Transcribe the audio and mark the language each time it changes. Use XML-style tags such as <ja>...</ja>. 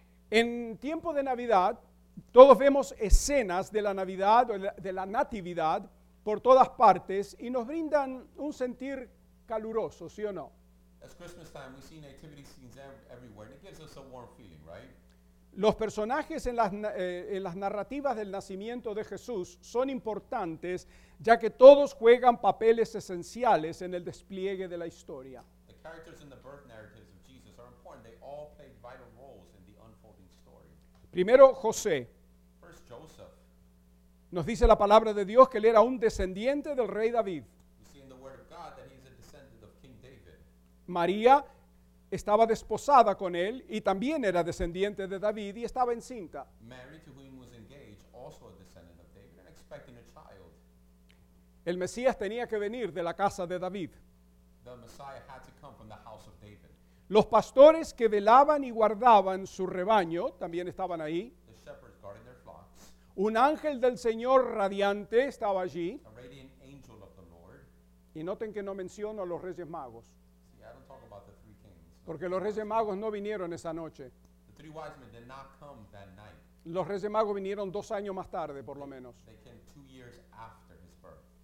<es>En tiempo de Navidad, todos vemos escenas de la Navidad o de la Natividad por todas partes y nos brindan un sentir caluroso, ¿sí o no?</es> <en>As Christmas time, we see nativity scenes everywhere, and it gives us a warm feeling, right?</en> <es>Los personajes en las narrativas del nacimiento de Jesús son importantes, ya que todos juegan papeles esenciales en el despliegue de la historia.</es> <en>The characters in the birth narratives of Jesus are important. They all play vital roles in the unfolding story.</en> <es>Primero, José.</es> <en>First, Joseph.</en> <es>Nos dice la palabra de Dios que él era un descendiente del rey David.</es> <en>We see in the word of God that he's a descendant of King David.</en> <es>María estaba desposada con él y también era descendiente de David y estaba encinta.</es> <en>Mary, to whom was engaged, also a descendant of David, and expecting a child.</en> <es>El Mesías tenía que venir de la casa de David.</es> <en>The Messiah had to come from the house of David.</en> <es>Los pastores que velaban y guardaban su rebaño también estaban ahí.</es> <en>The shepherds guarding their flocks.</en> <es>Un ángel del Señor radiante estaba allí.</es> <en>A radiant angel of the Lord.</en> <es>Y noten que no menciono a los Reyes Magos.</es> <en>See, I don't talk about the three kings.</en> <es>Porque los Reyes Magos no vinieron esa noche.</es> <en>The three wise men did not come that night.</en> <es>Los Reyes Magos vinieron 2 años más tarde, por lo menos.</es> <en>They came 2 years after his birth.</en>